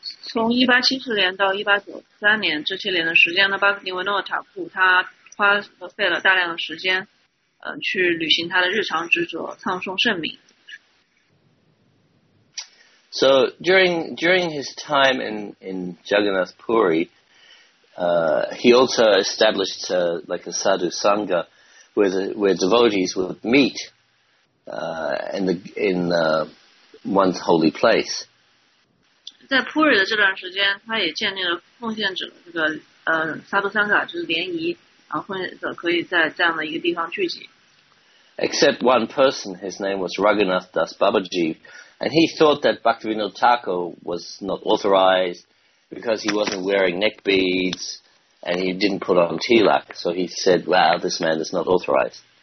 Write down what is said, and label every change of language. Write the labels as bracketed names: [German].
[Chinese] 从1874年到1893年这些年的时间呢，巴克尼维诺塔库他花费了大量的时间，去履行他的日常职责，唱诵圣名。 [English] So during his time in Jagannath Puri, he also established like a sadhu sangha where devotees would meet. In one's holy place. [Chinese] 在普瑞的这段时间，他也建立了奉献者这个萨多桑卡，就是联谊，然后奉献者可以在这样的一个地方聚集。 [English] Except one person, his name was Raghunath Das Babaji, and he thought that Bhaktivinoda Thakur was not authorized because he wasn't wearing neck beads and he didn't put on tilak. So he said, "Wow, this man is not authorized."